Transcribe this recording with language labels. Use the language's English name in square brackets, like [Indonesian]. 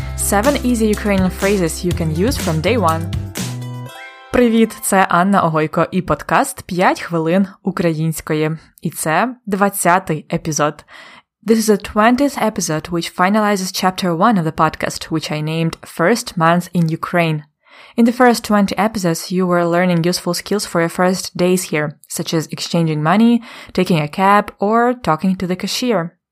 [English] 7 easy Ukrainian phrases you can use from day one. [Ukrainian] Привіт, це Анна Огойко і подкаст 5 хвилин української. І це 20-й епізод. [English] This is the 20th episode, which finalizes chapter 1 of the podcast, which I named First Month in Ukraine. In the first 20 episodes, you were learning useful skills for your first days here, such as exchanging money, taking a cab, or talking to the cashier.